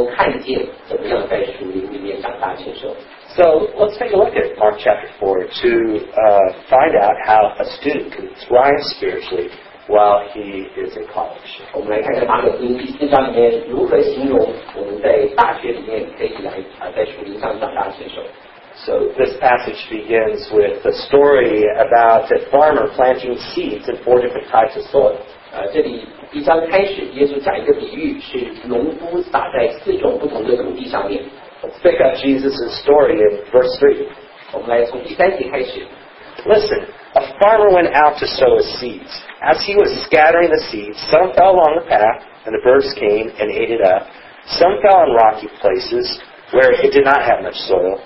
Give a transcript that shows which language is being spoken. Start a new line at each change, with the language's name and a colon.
Chinese: 再是用让你自己做见证，让他们能够看见怎么样在属灵里面长大成熟。
English: So let's take a look at Mark chapter 4 to find out how a student can thrive spiritually while he is in college.
Chinese: 我们来看看马可福音第四章里面如何形容我们在大学里面可以来在属灵上长大成熟。
English: So this passage begins with a story about a farmer planting seeds in four different types of soil.
Chinese: 这里一章开始，耶稣讲一个比喻，是农夫撒在四种不同的土地上面。
English: Let's pick up Jesus' story in verse 3.
Chinese: 我们来从第三节开始。
English: Listen, a farmer went out to sow his seeds. As he was scattering the seeds, some fell along the path, and the birds came and ate it up. Some fell on rocky places, where it did not have much soil.